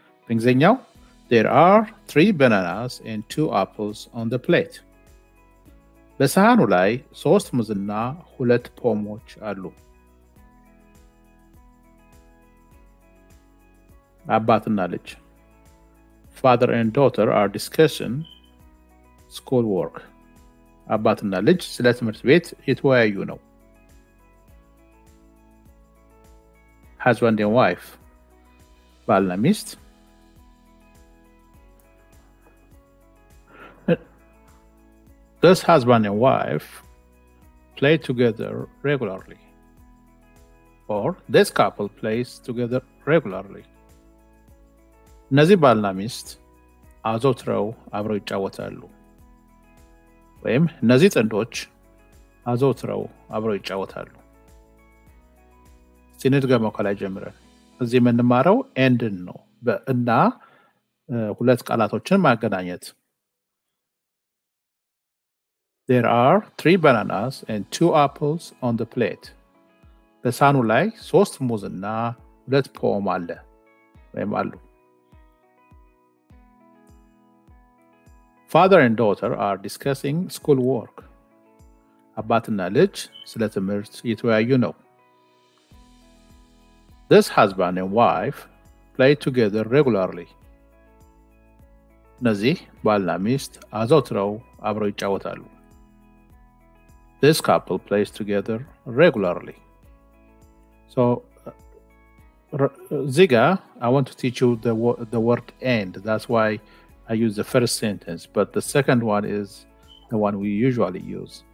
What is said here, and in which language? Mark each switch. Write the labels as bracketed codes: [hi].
[am] በእንግሊዝኛው [en] There are three bananas and two apples on the plate. [am] በሳህኑ ላይ ሶስት ሙዝና ሁለት ፖሞች አሉ። አባትና ልጅ [en] Father and daughter are discussing schoolwork. [am] አባትና ልጅ ስለ ትምህርት ቤት እየተወያዩ ነው። [en] Husband and wife [am] ባልና ሚስት [en] This husband and wife play together regularly. Or this couple plays together regularly. [am] እነዚህ ባልና ሚስት አዘውትረው አብረው ይጫወታሉ። ወይም እነዚህ ጥንዶች አዘውትረው አብረው ይጫወታሉ። ሲነድገመው ከላይ ጀምረን እዚህ የምንማረው ኤንድን ነው። በእና ሁለት ቃላቶችን ማገናኘት። [en] There are three bananas and two apples on the plate. [am] በሳህኑ ላይ ሶስት ሙዝ እና ሁለት ፖም አለ ወይም አሉ። [en] Father and daughter are discussing school work. [am] አባትና ልጅ ስለ ትምህርት እየተወያዩ ነው። [en] This husband and wife play together regularly. [am] እነዚህ ባልና ሚስት አዘውትረው አብረው ይጫወታሉ። This couple plays together regularly. [en] So, Ziga, I want to teach you the word end. That's why I use the first sentence. But the second one is the one we usually use.